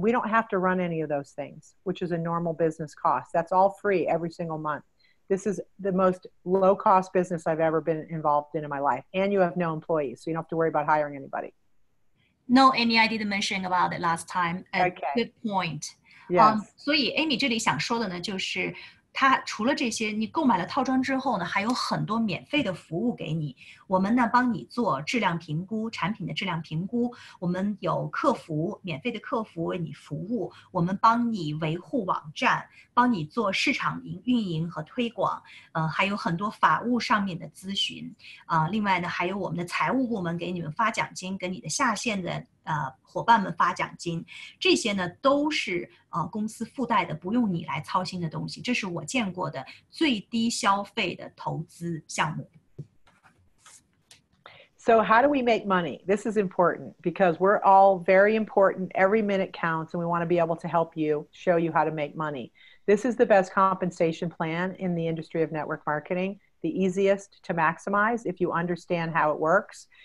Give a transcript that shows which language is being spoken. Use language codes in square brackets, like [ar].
[en] We don't have to run any of those things, which is a normal business cost. That's all free every single month. This is the most low-cost business I've ever been involved in my life. And you have no employees, so you don't have to worry about hiring anybody. No, Amy, I didn't mention about it last time. Okay. Good point. Yes. [zh] 所以 Amy 这里想说的呢，就是它除了这些，你购买了套装之后呢，还有很多免费的服务给你。我们呢帮你做质量评估，产品的质量评估。我们有客服，免费的客服为你服务。我们帮你维护网站，帮你做市场运营和推广。还有很多法务上面的咨询。另外呢，还有我们的财务部门给你们发奖金，给你的下线的伙伴们发奖金，这些呢都是公司附带的，不用你来操心的东西。这是我见过的最低消费的投资项目。 [en] So how do we make money? This is important because we're all very important. Every minute counts and we want to be able to help you, show you how to make money. This is the best compensation plan in the industry of network marketing, the easiest to maximize if you understand how it works.